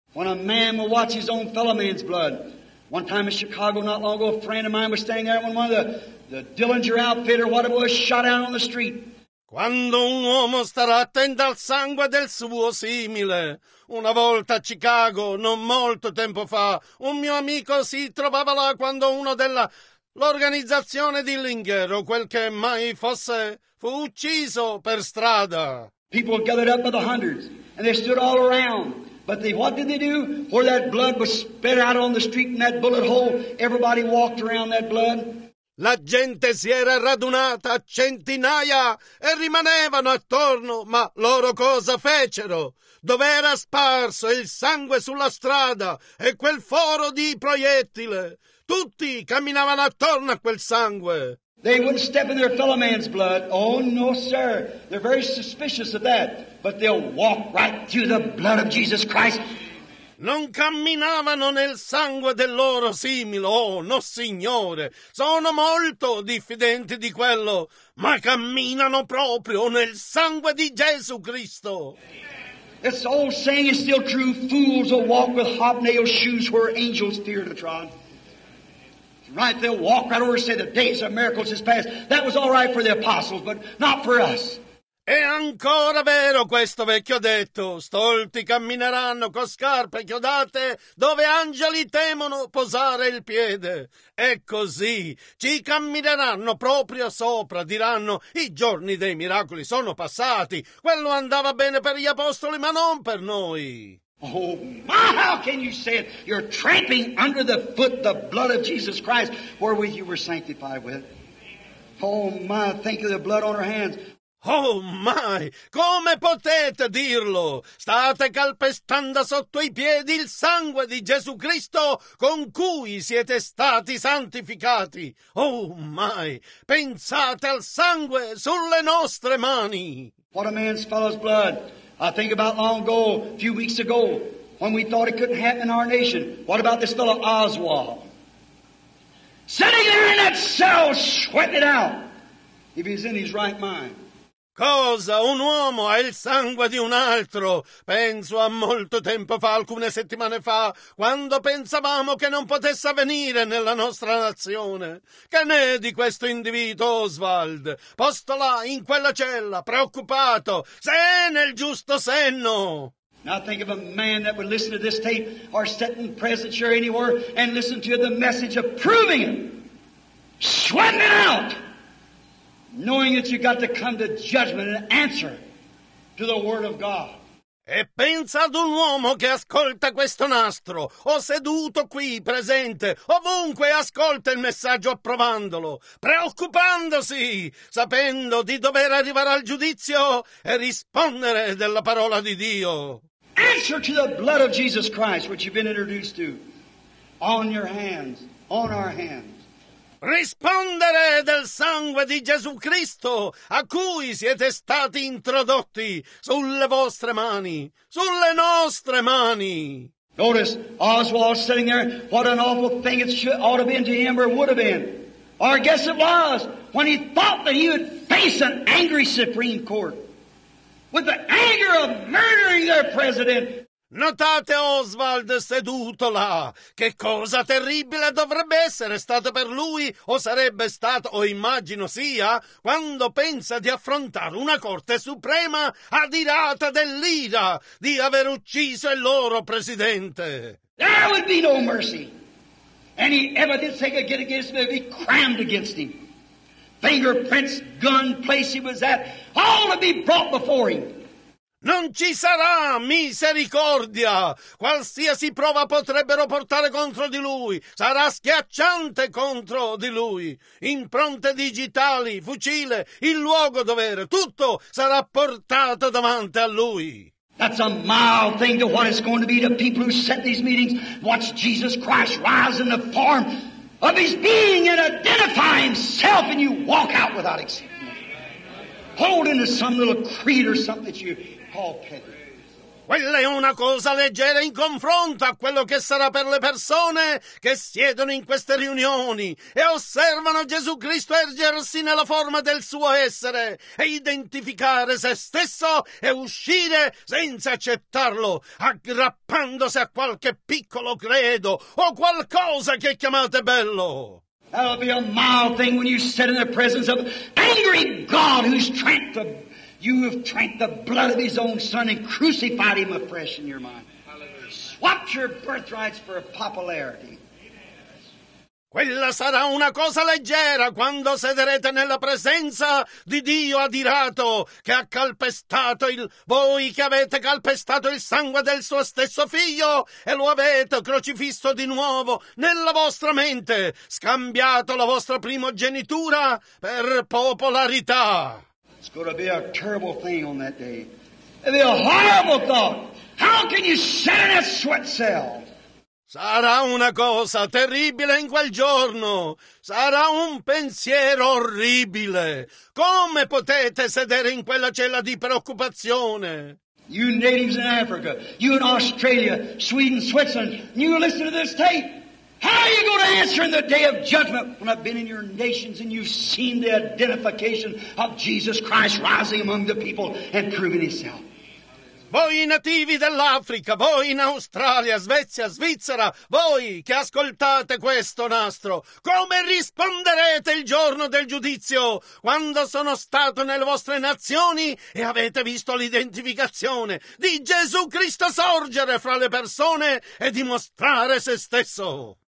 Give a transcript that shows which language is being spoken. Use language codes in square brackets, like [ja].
[en] When a man will watch his own fellow man's blood. One time in Chicago, not long ago, a friend of mine was staying there when one of the Dillinger outfit or whatever was shot out on the street. [it] Quando un uomo starà attento al sangue del suo simile. Una volta a Chicago, non molto tempo fa, un mio amico si trovava là quando uno dell'organizzazione Dillinger, o quel che mai fosse, fu ucciso per strada. [en] People gathered up by the hundreds, and they stood all around. But what did they do? Where that blood was spit out on the street in that bullet hole, everybody walked around that blood. [it] La gente si era radunata a centinaia e rimanevano attorno, ma loro cosa fecero? Dov'era sparso il sangue sulla strada e quel foro di proiettile? Tutti camminavano attorno a quel sangue. [en] They wouldn't step in their fellow man's blood. Oh, no, sir. They're very suspicious of that. But they'll walk right through the blood of Jesus Christ. [it] Non camminavano nel sangue del loro simile. Oh, no, signore. Sono molto diffidenti di quello. Ma camminano proprio nel sangue di Gesù Cristo. [en] This old saying is still true. Fools will walk with hobnailed shoes where angels fear to trod. Right, they'll walk right over and say the days of miracles is past. That was all right for the apostles, but not for us. [it] È ancora vero questo vecchio detto. Stolti cammineranno con scarpe chiodate dove angeli temono posare il piede. E così ci cammineranno proprio sopra, diranno, i giorni dei miracoli sono passati. Quello andava bene per gli apostoli, ma non per noi. [en] Oh my, how can you say it? You're tramping under the foot the blood of Jesus Christ, wherewith you were sanctified with. Oh my, think of the blood on our hands. Oh my, [it] come potete dirlo? State calpestando sotto i piedi il sangue di Gesù Cristo con cui siete stati santificati. [en] Oh my, [it] pensate al sangue sulle nostre mani. [en] What a man's fellow's blood. I think about long ago, a few weeks ago, when we thought it couldn't happen in our nation. What about this fellow Oswald? Sitting there in that cell, sweating it out, if he's in his right mind. [it] Cosa? Un uomo ha il sangue di un altro. Penso a molto tempo fa, alcune settimane fa, quando pensavamo che non potesse avvenire nella nostra nazione. Che ne è di questo individuo, Oswald? Posto là, in quella cella, preoccupato, se è nel giusto senno. [en] Now think of a man that would listen to this tape or sit in presence here anywhere and listen to the message of proving it. Sweating it out. Knowing that you got to come to judgment and answer to the word of God. [it] E pensa ad un uomo che ascolta questo nastro, o seduto qui, presente, ovunque ascolta il messaggio approvandolo, preoccupandosi, sapendo di dover arrivare al giudizio e rispondere della parola di Dio. [en] Answer to the blood of Jesus Christ, which you've been introduced to, on your hands, on our hands. [it] Rispondere del sangue di Gesù Cristo a cui siete stati introdotti sulle vostre mani, sulle nostre mani. [en] Notice Oswald sitting there, what an awful thing it should, ought to be to him or would have been. Or I guess it was when he thought that he would face an angry Supreme Court with the anger of murdering their president. [it] Notate Oswald seduto là. Che cosa terribile dovrebbe essere stato per lui, o sarebbe stato, o immagino sia, quando pensa di affrontare una corte suprema adirata dell'ira di aver ucciso il loro presidente. [en] There would be no mercy. Any evidence they could get against him would be crammed against him. Fingerprints, gun, place he was at, all would be brought before him. [it] Non ci sarà misericordia. Qualsiasi prova potrebbero portare contro di lui. Sarà schiacciante contro di lui. Impronte digitali, fucile, il luogo dov'era, tutto sarà portato davanti a lui. [en] That's a mild thing to what it's going to be to people who set these meetings. Watch Jesus Christ rise in the form of his being and identify himself and you walk out without exception. Hold into some little creed or something that you... [it] Quella è una cosa leggera in confronto a quello che sarà per le persone che siedono in queste riunioni e osservano Gesù Cristo ergersi nella forma del suo essere e identificare se stesso e uscire senza accettarlo, aggrappandosi a qualche piccolo credo o qualcosa che chiamate bello. [en] That'll be a mild thing when you sit in the presence of angry God who's trying to... You have drank the blood of his own son and crucified him afresh in your mind. Swapped your birthrights for popularity. [it] Quella sarà una cosa leggera quando sederete nella presenza di Dio adirato che ha calpestato il... voi che avete calpestato il sangue del suo stesso figlio e lo avete crocifisso di nuovo nella vostra mente, scambiato la vostra primogenitura per popolarità. [en] It's going to be a terrible thing on that day. It'll be a horrible thought. How can you shed a sweat cell? [it] Sarà una cosa terribile in quel giorno. Sarà un pensiero orribile. Come potete sedere in quella cella di preoccupazione? [en] You natives in Africa, you in Australia, Sweden, Switzerland, you listen to this tape. How are you going to answer in the day of judgment when I've been in your nations and you've seen the identification of Jesus Christ rising among the people and proving himself? [it] Voi nativi dell'Africa, voi in Australia, Svezia, Svizzera, voi che ascoltate questo nastro, come risponderete il giorno del giudizio quando sono stato nelle vostre nazioni e avete visto l'identificazione di Gesù Cristo sorgere fra le persone e dimostrare se stesso?